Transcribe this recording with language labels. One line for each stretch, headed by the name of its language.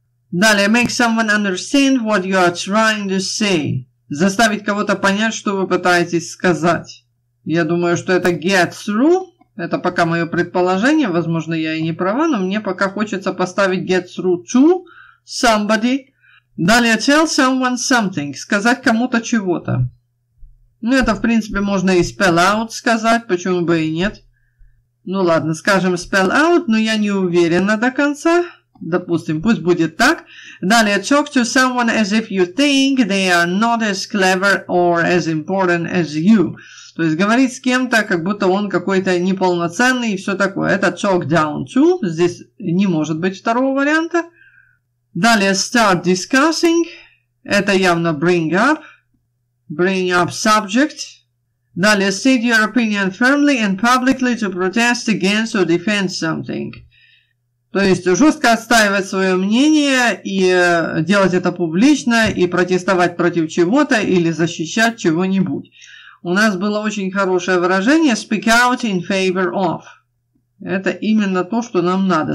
English: Далее, make someone understand what you are trying to say.
Russian: Заставить кого-то понять, что вы пытаетесь сказать. Я думаю, что это get through. Это пока мое предположение. Возможно, я и не права, но мне пока хочется поставить get through to somebody. Далее,
English: tell someone something.
Russian: Сказать кому-то чего-то. Ну, это, в принципе, можно и spell out сказать, почему бы и нет. Ну, ладно, скажем spell out, но я не уверена до конца. Допустим, пусть будет так.
English: Далее, talk to someone as if you think they are not as clever or as important as you.
Russian: То есть, говорить с кем-то, как будто он какой-то неполноценный и все такое.
English: Это talk down to.
Russian: Здесь не может быть второго варианта.
English: Далее, start discussing.
Russian: Это явно
English: bring up. Bring up subject. Далее, state your opinion firmly and publicly to protest against or defend something.
Russian: То есть жестко отстаивать свое мнение и делать это публично, и протестовать против чего-то или защищать чего-нибудь. У нас было очень хорошее выражение «speak out in favor of». Это именно то, что нам надо.